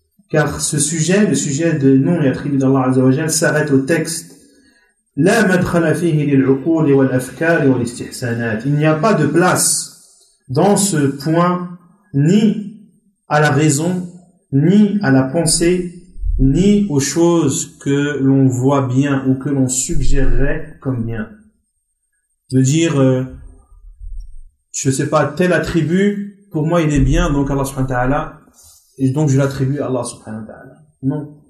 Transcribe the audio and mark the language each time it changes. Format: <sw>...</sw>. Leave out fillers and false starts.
<fr>Car ce sujet, le sujet de nom et attribut d'Allah azza wa jalla, s'arrête au texte.</fr> <ar>لا مدخل فيه للعقول والأفكار والاستحسانات.</ar> <fr>Il n'y a pas de place dans ce point ni à la raison, ni à la pensée, ni aux choses que l'on voit bien ou que l'on suggérerait comme bien. De dire, je sais pas, tel attribut, pour moi il est bien, donc Allah subhanahu wa ta'ala, et donc je l'attribue à Allah subhanahu wa ta'ala. Non.</fr>